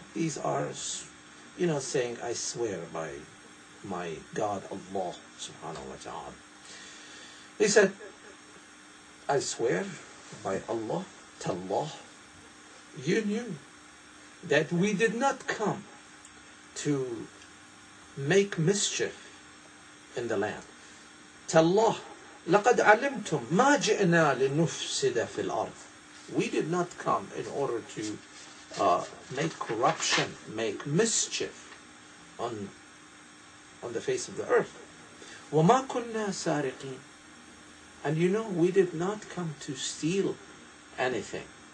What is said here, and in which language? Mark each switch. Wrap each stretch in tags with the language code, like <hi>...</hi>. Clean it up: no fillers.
<en>These are, saying, I swear by my God, Allah, subhanahu wa ta'ala. He said, I swear by Allah, Tallah, you knew that we did not come to make mischief in the land.</en> <ar>Tallah, لقد علمتم ما جئنا لنفسد في الأرض.</ar> <en>We did not come in order to make corruption, make mischief on the face of the earth.</en> <ar>وما كنا سارقين.</ar> <en>And we did not come to steal anything.</en>